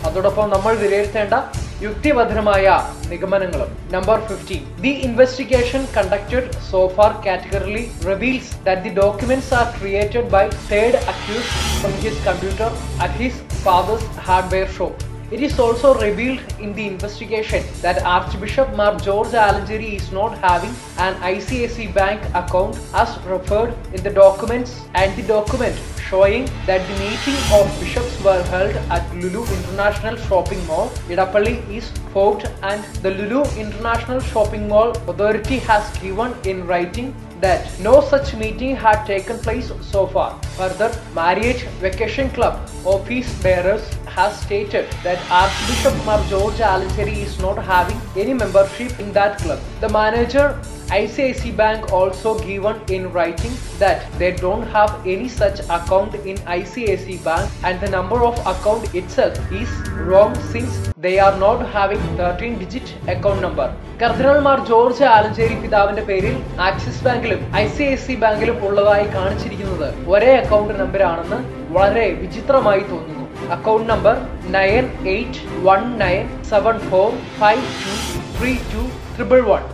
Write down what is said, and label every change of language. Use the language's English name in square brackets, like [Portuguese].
[Malayalam] അതോടൊപ്പം നമ്മൾ വിലയിരുത്തേണ്ട യുക്തിബദ്ധമായ നിഗമനങ്ങളും. Number 15. [English] The investigation conducted so far categorically reveals that the documents are created by third accused from his computer at his father's hardware shop. It is also revealed in the investigation that Archbishop Mar George Alangeri is not having an ICICI bank account as referred in the documents and the document showing that the meeting of bishops were held at Lulu International Shopping Mall, Idappalli East Fort and the Lulu International Shopping Mall authority has given in writing that no such meeting had taken place so far. Further, Marriott Vacation Club office bearers has stated that Archbishop Mar George Alangeri is not having any membership in that club. The manager ICICI Bank also given in writing that they don't have any such account in ICICI Bank and the number of account itself is wrong since they are not having 13-digit account number. [Malayalam] കർദിനാൾമാർ George Alencherry പിതാവിന്റെ പേരിൽ axis ബാങ്കിലും ICICI ബാങ്കിലും ഉള്ളതായി കാണിച്ചിരിക്കുന്നത് ഒരേ account number ആണെന്ന് വളരെ വിചിത്രമായി തോന്നുന്നു. Account number 9819745232 111.